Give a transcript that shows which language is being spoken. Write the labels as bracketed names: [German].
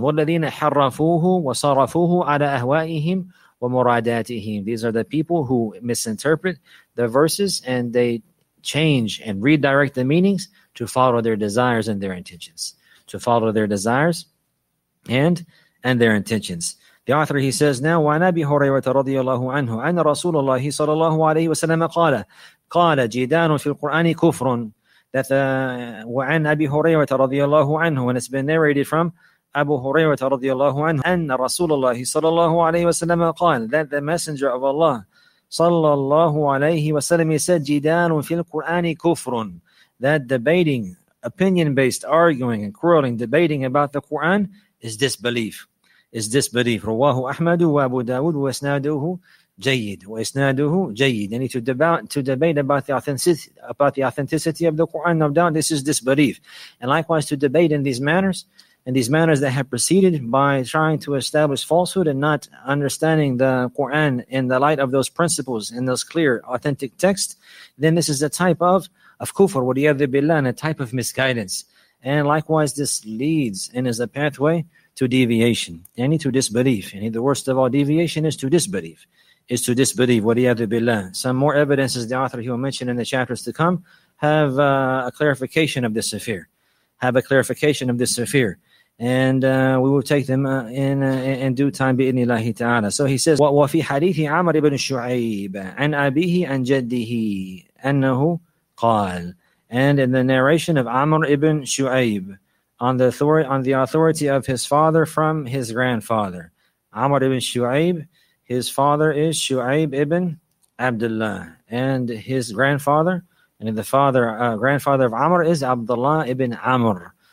[Arabic] وَالَّذِينَ حَرَّفُوهُ وَصَرَفُوهُ عَلَىٰ أَهْوَائِهِمْ وَمُرَادَاتِهِمْ. [English] These are the people who misinterpret the verses and they change and redirect the meanings to follow their desires and their intentions. To follow their desires and their intentions. The author, he says now, [Arabic] وعن أبي هريرة رضي الله عنه أن رسول الله صلى الله عليه وسلم قال قال جدان في القرآن كفر. [English] That [Arabic] وعن أبي هريرة رضي الله عنه, [English] and it's been narrated from Abu Hurairah رضي الله عنه, [Arabic] أن رسول الله صلى الله عليه وسلم قال, [English] that the messenger of Allah صلى الله عليه وسلم said, [Arabic] جدان في القرآن كفر, [English] that debating, opinion based arguing and quarreling, debating about the Quran is disbelief. Is disbelief. [Arabic] رواه أحمد وابو داود وإسناده جيد. وإسناده جيد. [English] Any to debate about the authenticity of the Quran, no doubt, this is disbelief. And likewise to debate in these manners that have proceeded by trying to establish falsehood and not understanding the Quran in the light of those principles and those clear, authentic texts, then this is a type of kufr, [Arabic] وليعذ بالله, [English] and a type of misguidance. And likewise, this leads and is a pathway to deviation, any to disbelief. Any the worst of all deviation is to disbelief. Is to disbelieve. [Arabic] وَلِيَذُ بِاللَّهِ. [English] Some more evidences the author he will mention in the chapters to come have a clarification of this affair. Have a clarification of this affair. And we will take them in due time [Arabic] بإذن الله تعالى. [English] So he says, [Arabic] وَفِي حَدِيثِ عَمَرِ بْنِ شُعَيْبَ عَنْ أَبِيهِ عَنْ جَدِّهِ أَنَّهُ قَالَ. [English] And in the narration of Amr ibn Shu'ayb, on the authority of his father from his grandfather, Amr ibn Shu'ayb, his father is Shu'ayb ibn Abdullah, and his grandfather, and the father, grandfather of Amr is Abdullah ibn Amr.